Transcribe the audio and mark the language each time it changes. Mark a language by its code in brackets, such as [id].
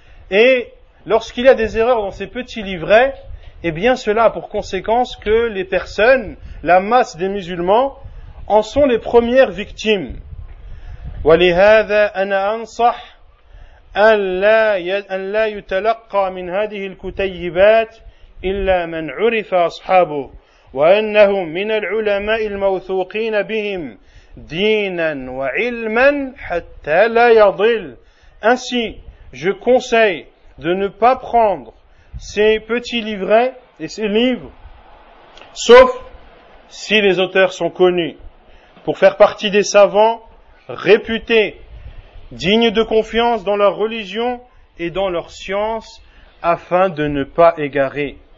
[fr] Et lorsqu'il y a des erreurs dans ces petits livrets, eh bien, cela a pour conséquence que les personnes, la masse des musulmans, en sont les premières victimes. [ar] ولهذا أنا أنصح أن لا يتلقى من هذه الكتيبات إلا من عرف أصحابه وأنهم من العلماء الموثوقين بهم دينا وعلما حتى لا يضل. [fr] Ainsi, je conseille de ne pas prendre ces petits livrets et ces livres, sauf si les auteurs sont connus, pour faire partie des savants réputés, dignes de confiance dans leur religion et dans leur science, afin de ne pas égarer.